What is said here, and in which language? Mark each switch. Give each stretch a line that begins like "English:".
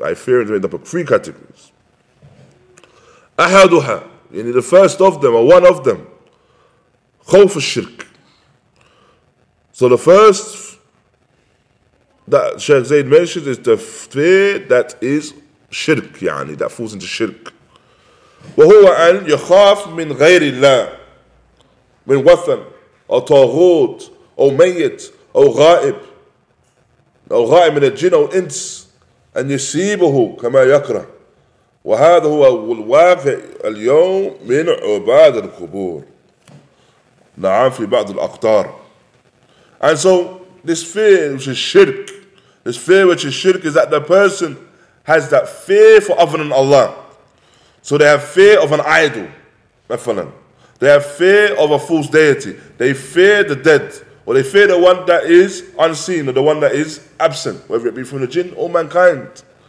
English: I fear is made up of three categories.
Arabic: أَحَدُهَا.
English: You need the first of them, or one of them.
Arabic: خوف الشرك.
English: So the first that Sheikh Zayd mentioned is the fear that is shirk, يعني that falls into shirk.
Arabic: وهو أن يخاف من غير الله من وثن أو طاغوت أو ميت أو غائب أو غائب من الجن أو الإنس أن يسيبه كما يكره وهذا هو الواقع اليوم من عباد القبور نعم في بعض الأقطار.
English: And so this fear which is shirk, this fear which is shirk is that the person has that fear for other than Allah. So they have fear of an idol, مثلاً. They have fear of a false deity. They fear the dead, or they fear the one that is unseen, or the one that is absent, whether it be from the jinn or mankind.